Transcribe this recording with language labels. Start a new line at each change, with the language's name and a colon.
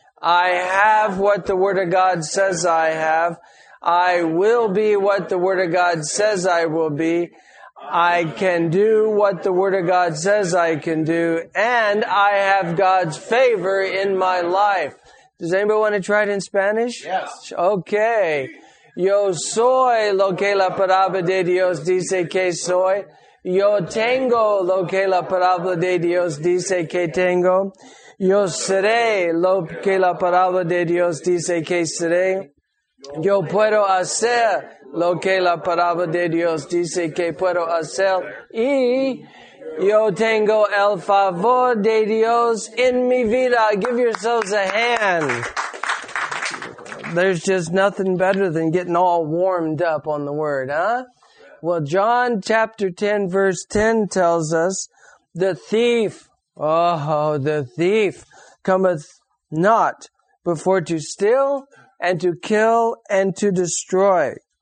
English: I have what the Word of God says I have. I will be what the Word of God says I will be. I can do what the Word of God says I can do. And I have God's favor in my life. Does anybody want to try it in Spanish? Yes. Okay.
Spanish: Yo soy lo que la palabra de Dios dice que soy. Yo tengo lo que la palabra de Dios dice que tengo. Yo seré lo que la palabra de Dios dice que seré. Yo puedo hacer lo que la palabra de Dios dice que puedo hacer. Y yo tengo el favor de Dios en mi vida.
English: Give yourselves a hand. There's just nothing better than getting all warmed up on the Word, huh? Well, John chapter 10, verse 10 tells us, the thief, oh, the thief cometh not before to steal and to kill and to destroy.